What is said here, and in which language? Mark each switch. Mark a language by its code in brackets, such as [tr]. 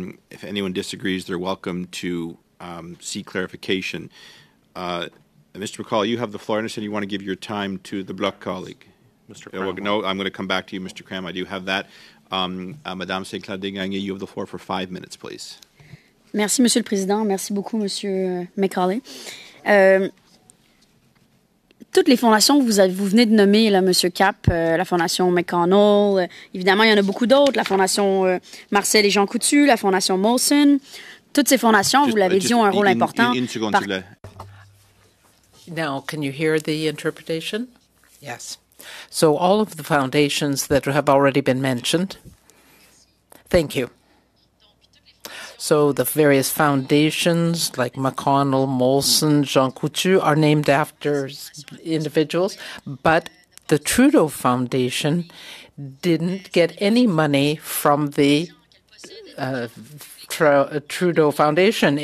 [en] If anyone disagrees, they're welcome to seek clarification. Mr. McCauley, you have the floor. I understand you want to give your time to the Bloc colleague. Mr. Cram. No, I'm going to come back to you, Mr. Cram. I do have that. Madame Sinclair-Desgagne, you have the floor for 5 minutes, please. [fr] Merci, Monsieur le Président. Merci beaucoup, Monsieur McCauley. Toutes les fondations que vous venez de nommer, là, Monsieur Cap, la Fondation McConnell, évidemment, il y en a beaucoup d'autres, la Fondation Marcel et Jean Coutu, la Fondation Molson, toutes ces fondations, [en] just, [fr] vous l'avez dit, ont un rôle important. [en] Now, can you hear the interpretation? Yes. So all of the foundations that have already been mentioned. Thank you. So the various foundations like McConnell, Molson, Jean Coutu are named after individuals, but the Trudeau Foundation didn't get any money from the Trudeau Foundation.